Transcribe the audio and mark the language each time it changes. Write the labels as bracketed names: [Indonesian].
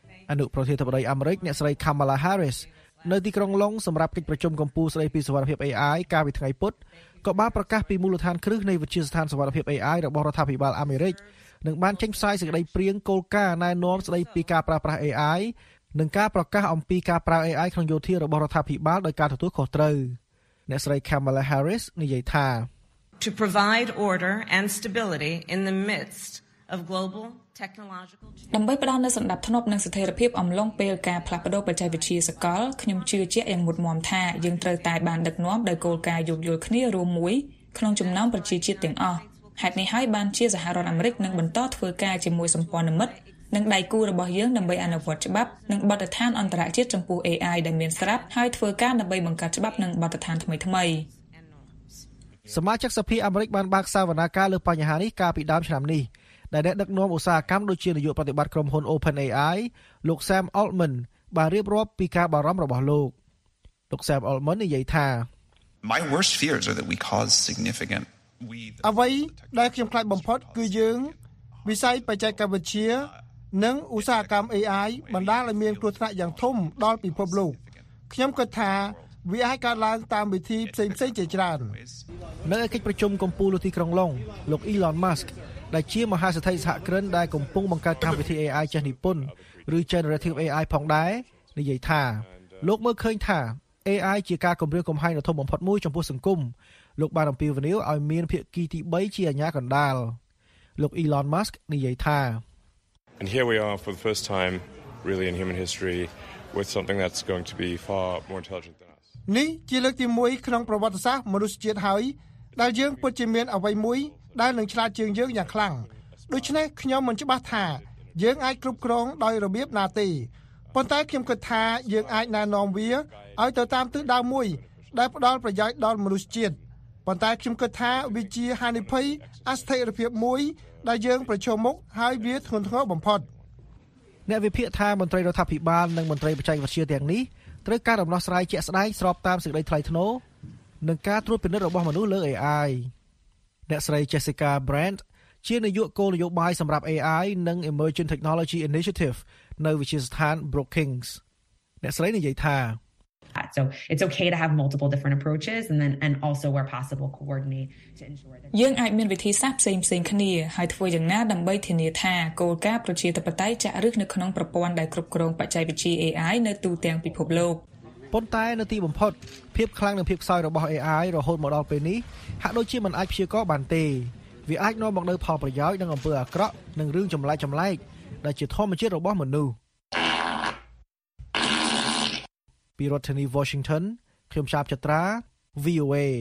[Khmer] អនុប្រធានាធិបតីអាមេរិកអ្នកស្រី Kamala Harris នៅទីក្រុងឡុងសម្រាប់កិច្ចប្រជុំកម្ពុជាស្តីពីសុវត្ថិភាព AI កាលពីថ្ងៃពុធក៏បានប្រកាសពីមូលដ្ឋានគ្រឹះនៃវិទ្យាស្ថានសុវត្ថិភាព AI របស់រដ្ឋាភិបាលអាមេរិកនិងបានចេញផ្សាយសេចក្តីព្រាងគោលការណ៍ណែនាំស្តីពីការប្រើប្រាស់ AI និងការប្រកាសអំពីការប្រើ AI ក្នុងយោធារបស់រដ្ឋាភិបាលដោយការទទួលខុសត្រូវអ្នកស្រី Kamala Harris និយាយថា [English] To provide order and stability in the midst of global technological change [Khmer] ដើម្បីផ្ដល់នូវសន្តិភាពនិងស្ថិរភាពអំឡុងពេលការផ្លាស់ប្ដូរបច្ចេកវិទ្យាសកលខ្ញុំជឿជាក់យ៉ាងមុតមមថាយើងត្រូវតែបានដឹកនាំដោយគោលការណ៍យោគយល់គ្នារួមមួយក្នុងចំណោមប្រជាជាតិទាំងអស់ហេតុនេះហើយបានជាសហរដ្ឋអាមេរិកនឹងបន្តធ្វើការជាមួយសម្ព័ន្ធមិត្តនិងដៃគូរបស់យើងដើម្បីអនុវត្តច្បាប់និងបទដ្ឋានអន្តរជាតិចំពោះ AI ដែលមានស្រាប់ហើយធ្វើការដើម្បីបង្កើតច្បាប់និងបទដ្ឋានថ្មីថ្មី សមាជិកសភាអាមេរិកបានបើកសវនាកាលើបញ្ហានេះកាលពីដើមឆ្នាំនេះដែលអ្នកដឹកនាំឧស្សាហកម្មដូចជានាយកប្រតិបត្តិក្រុមហ៊ុន OpenAI លោក Sam Altman បានរៀបរាប់ពីការបារម្ភរបស់លោកលោក Sam Altman និយាយថា [English] My worst fears are that we cause significant we [Khmer] អ្វីដែលខ្ញុំខ្លាចបំផុតគឺយើងវិស័យបច្ចេកវិទ្យានិងឧស្សាហកម្ម AI បណ្ដាលឲ្យមានគ្រោះថ្នាក់យ៉ាងធំដល់ពិភពលោកខ្ញុំគិតថាវាអាចកើតឡើងតាមវិធីផ្សេងៗជាច្រើននៅកិច្ចប្រជុំកំពូលទីក្រុងឡុងលោក Elon Musk ដែលជាមហាសេដ្ឋីសហគ្រិនដែលកំពុងបង្កើតកម្មវិធី AI ចេះនិពន្ធឬ Generative AI ផងដែរនិយាយថាលោកមើលឃើញថា AI ជាការគម្រាមកំហែងដល់ធំបំផុតមួយចំពោះសង្គមលោកបានអំពាវនាវឲ្យមានភាគីទី3ជាអាជ្ញាកណ្ដាលលោក Elon Musk និយាយថា [English] And here we are for the first time really in human history with something that's going to be far more intelligent than us [Khmer] នេះជាលើកទី1ក្នុងប្រវត្តិសាស្ត្រមនុស្សជាតិហើយដែលយើងពិតជាមានអ្វីមួយដែលនឹងឆ្លាតជាងយើងយ៉ាងខ្លាំងដូច្នេះខ្ញុំមិនច្បាស់ថាយើងអាចគ្រប់គ្រងដោយរបៀបណាទេប៉ុន្តែខ្ញុំគិតថាយើងអាចណែនាំវាឲ្យទៅតាមទិសដៅមួយដែលផ្ដល់ប្រយោជន៍ដល់មនុស្សជាតិប៉ុន្តែខ្ញុំគិតថាវាជាហានិភ័យអស្ថិរភាពមួយដែលយើងប្រឈមមុខហើយវាធ្ងន់ធ្ងរបំផុត អ្នកវិភាគថាមន្ត្រីរដ្ឋាភិបាលនិងមន្ត្រីបច្ចេកវិទ្យាទាំងនេះត្រូវការដំណោះស្រាយជាក់ស្ដែងស្របតាមសេចក្តីថ្លៃថ្នូរនិងការត្រួតពិនិត្យរបស់មនុស្សលើ AI អ្នកស្រី Jessica Brandt ជានាយកគោលនយោបាយសម្រាប់ AI និង Emerging Technology Initiative នៅវិទ្យាស្ថាន Brookings អ្នកស្រីនិយាយថា [English] So it's okay to have multiple different approaches and also where possible coordinate to ensure that [Khmer] យើងអាចមានវិធីសាស្ត្រផ្សេងៗគ្នាហើយធ្វើយ៉ាងណាដើម្បីធានាថាគោលការណ៍ប្រជាធិបតេយ្យចាក់ឫសនៅក្នុងប្រព័ន្ធដែលគ្រប់គ្រងបច្ចេកវិទ្យា AI នៅទូទាំងពិភពលោក ប៉ុន្តែនៅទីបំផុតភាពខ្លាំងនិងភាពខ្សោយរបស់ AI រហូតមកដល់ពេលនេះហាក់ដូចជាមិនអាចព្យាករបានទេវាអាចនាំមកនូវផលប្រយោជន៍និងអំពើអាក្រក់និងរឿងចម្លែកចម្លែកដែលជាធម្មជាតិរបស់មនុស្សពីរដ្ឋធានី Washington ខ្ញុំឆាបចត្រា VOA